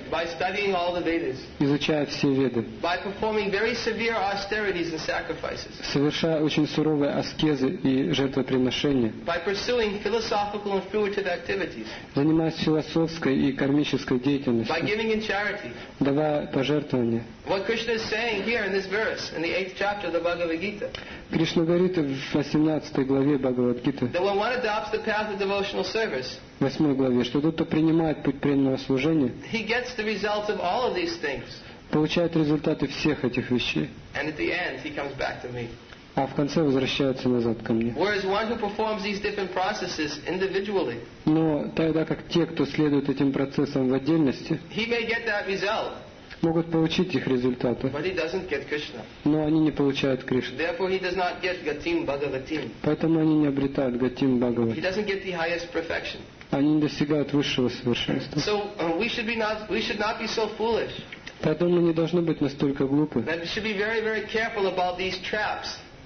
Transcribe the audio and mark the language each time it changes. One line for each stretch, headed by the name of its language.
English: by studying all the Vedas,
Russian: изучая все Веды,
English: by performing very severe austerities and sacrifices,
Russian: совершая очень суровые аскезы и жертвоприношения,
English: by pursuing philosophical and fruitive activities,
Russian: занимаясь философской и кармической деятельностью,
English: by giving in charity,
Russian: давая пожертвования.
English: What Krishna is saying here in this verse, in the 8th chapter of the Bhagavad Gita,
Russian: Кришна говорит в 18 главе Бхагавад Гиты,
English: that when one adopts the path of devotional service,
Russian: в 8 главе, что тот, кто принимает путь преданного служения,
English: he gets the results of all of these things,
Russian: получает результаты всех этих вещей,
English: and at the end, he comes back to me.
Russian: А в конце возвращается назад ко мне.
English: Whereas one who performs these different processes individually,
Russian: но тогда как те, кто следует этим процессам в отдельности,
English: he may get that result,
Russian: могут получить их результаты,
English: but he doesn't get Krishna.
Russian: Но они не получают Кришну.
English: Therefore, he does not get gatim bhagavatim.
Russian: Поэтому они не обретают гатим бхагаватим.
English: He doesn't get the highest perfection.
Russian: Они не достигают высшего совершенства.
English: So, we should not be so foolish.
Russian: Поэтому мы не должны быть настолько глупы.
English: That we should be very, very careful about these traps.